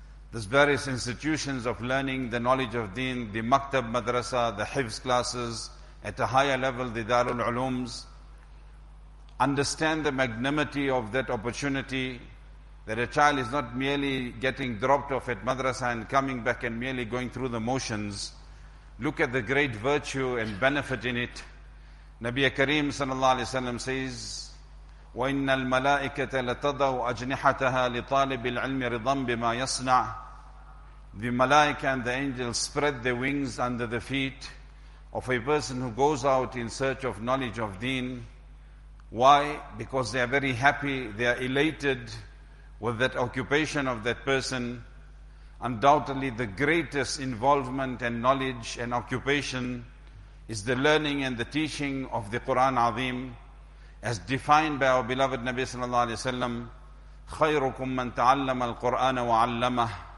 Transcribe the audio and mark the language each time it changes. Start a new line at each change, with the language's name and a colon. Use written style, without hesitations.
English: These various institutions of learning, the knowledge of deen, the maktab madrasa, the hifz classes, at a higher level, the darul ulooms, understand the magnanimity of that opportunity, that a child is not merely getting dropped off at madrasa and coming back and merely going through the motions. Look at the great virtue and benefit in it. Nabi Kareem sallallahu alayhi wa sallam says,
Arabic: وَإِنَّ الْمَلَائِكَةَ لَتَضَوْ أَجْنِحَتَهَا لِطَالِبِ الْعِلْمِ رِضًا بِمَا يَصْنَعُ.
English: The malaika and the angels spread their wings under the feet of a person who goes out in search of knowledge of deen. Why? Because they are very happy, they are elated with that occupation of that person. Undoubtedly the greatest involvement and knowledge and occupation is the learning and the teaching of the Qur'an Azim, as defined by our beloved Nabi sallallahu alayhi wa sallam,
Arabic: خَيْرُكُمْ مَنْ تَعَلَّمَ الْقُرْآنَ وَعَلَّمَهُ.